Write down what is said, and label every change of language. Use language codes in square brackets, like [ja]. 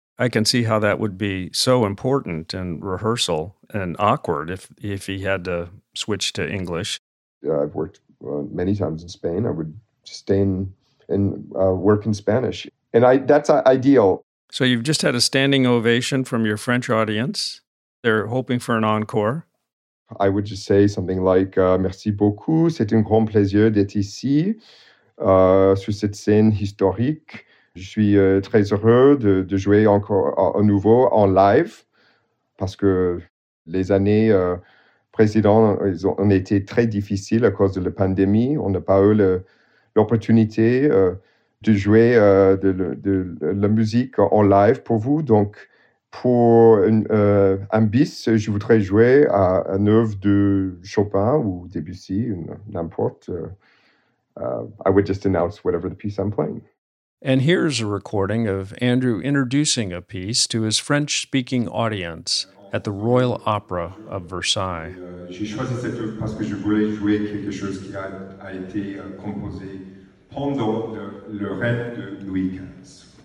[en] I can see how that would be so important in rehearsal and awkward if he had to switch to English. I've worked many times in Spain. I would stay and work in Spanish, and that's ideal. So you've just had a standing ovation from your French audience. They're hoping for an encore. I would just say something like, [fr] merci beaucoup, c'est un grand plaisir d'être ici, sur cette scène historique. Je suis très heureux de jouer encore à nouveau en live, parce que les années précédentes ont été très difficiles à cause de la pandémie. On n'a pas eu l'opportunité de jouer de la musique en live pour vous, donc... Pour un bis, je voudrais jouer à une œuvre de Chopin ou Debussy, n'importe. [en] I would just announce whatever the piece I'm playing. And here's a recording of Andrew introducing a piece to his French-speaking audience at the Royal Opera of Versailles. [fr] J'ai choisi cette œuvre parce que je voulais jouer quelque chose qui a été composé pendant le règne de Louis XV.